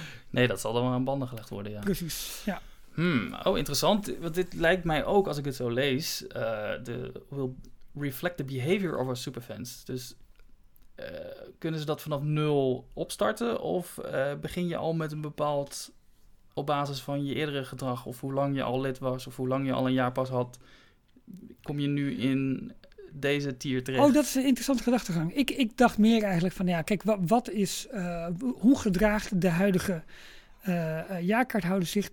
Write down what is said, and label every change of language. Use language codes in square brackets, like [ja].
[nl] Nee, dat zal dan wel aan banden gelegd worden, ja. Precies, ja. Oh, interessant. Want dit lijkt mij ook, als ik het zo lees... [en] will reflect the behavior of our superfans. [nl] Dus kunnen ze dat vanaf nul opstarten? Of begin je al met een bepaald... op basis van je eerdere gedrag... of hoe lang je al lid was... of hoe lang je al een jaarpas had... kom je nu in... deze tier terecht. Oh, dat is een interessante gedachtegang. Ik dacht meer eigenlijk van, ja, kijk, wat is, hoe gedraagt de huidige jaarkaarthouder zich?